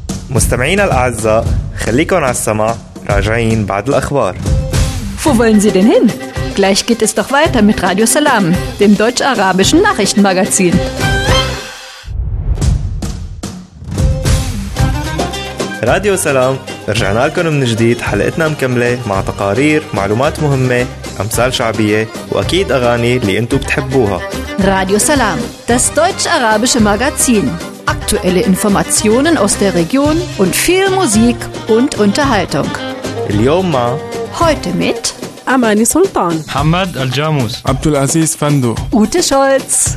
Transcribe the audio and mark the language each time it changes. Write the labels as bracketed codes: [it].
[ar] مستمعينا الأعزاء خليكم على السماع راجعين بعد الأخبار [de] Wo wollen Sie denn hin? Gleich geht es doch weiter mit Radio Salam, dem deutsch-arabischen Nachrichtenmagazin. [ar] راديو سلام رجعنا لكم من جديد حلقتنا مكملة مع تقارير معلومات مهمة أمثال شعبية وأكيد أغاني اللي أنتوا بتحبوها [de] راديو سلام Das deutsch-arabische Magazin. Aktuelle Informationen aus der Region und viel Musik und Unterhaltung. [ar] اليوم [de] Heute mit Amani Sultan, Hamad Al-Jamus, Abdulaziz Fando, Ute Scholz,